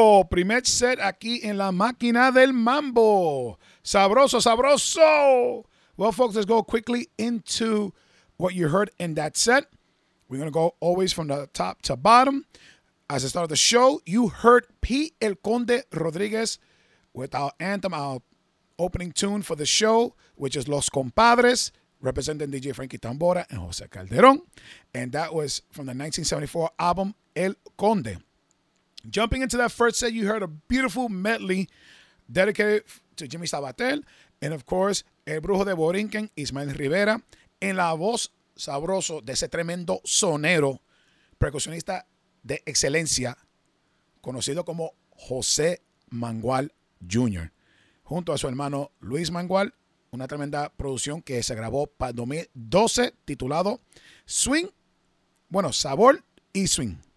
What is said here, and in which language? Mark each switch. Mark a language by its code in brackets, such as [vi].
[es] Primer set aquí en la máquina del mambo. Sabroso, sabroso. [en] Well, folks, let's go quickly into what you heard in that set. We're going to go always from the top to bottom. As I started the show, you heard P. El Conde Rodriguez with our anthem, our opening tune for the show, which is Los Compadres, representing DJ Frankie Tambora and Jose Calderon. And that was from the 1974 album El Conde. Jumping into that first set, you heard a beautiful medley dedicated to Jimmy Sabatel. And, of course, El Brujo de Borinquen, Ismael Rivera. [es] En la voz sabroso de ese tremendo sonero, percusionista de excelencia, conocido como José Mangual Jr. Junto a su hermano Luis Mangual, una tremenda producción que se grabó para 2012, titulado Swing, bueno, Sabor y Swing.